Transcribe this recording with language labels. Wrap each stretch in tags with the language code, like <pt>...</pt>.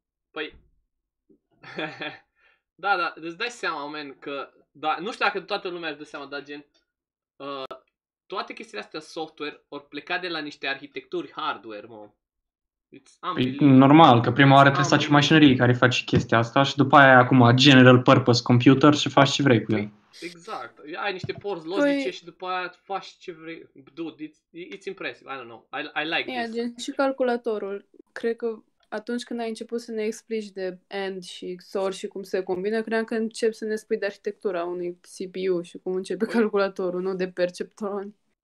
<ro>Păi, da, da, îți dai seama, man, că, da, nu știu dacă toată lumea își dă seama, dar gen, toate chestiile astea software or pleca de la niște arhitecturi hardware, mă. Păi, normal, că prima oară trebuie să faci mașinării care faci chestia asta și după aia acum general purpose computer și faci ce vrei cu el. Exact, ai niște porți logice și după aia faci ce vrei.</ro> <en>Dude, it's impressive, I don't know, I like this.</en> <ro>Gen, și calculatorul, cred că atunci când ai început să ne explici de AND și XOR și cum se combină, cream că începi să ne spui de arhitectura unui CPU și cum începe calculatorul, nu de perceptron.</ro>